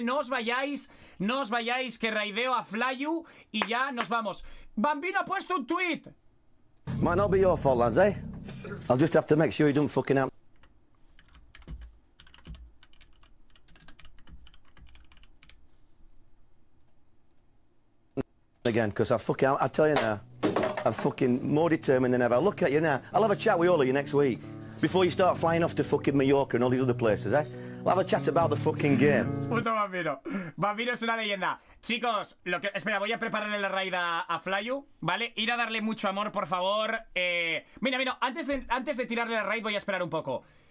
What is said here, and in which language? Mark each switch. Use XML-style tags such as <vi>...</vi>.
<es>No os vayáis, no os vayáis, que raideo a Flyu y ya nos vamos. Bambino ha puesto un tweet.</es> <en>Might not be your fault, lads, eh? I'll just have to make sure you don't fucking out. Again, because I fucking, I tell you now. I'm fucking more determined than ever. I'll look at you now. I'll have a chat with all of you next week. Before you start flying off to fucking Mallorca and all these other places, eh? We'll have a chat about the fucking game.</en> <es>Puto Bambino. Bambino es una leyenda. Chicos, lo que... Espera, voy a prepararle la raid a Flyu, ¿vale? Ir a darle mucho amor, por favor. Mira, mira, antes de tirarle la raid voy a esperar un poco.</es>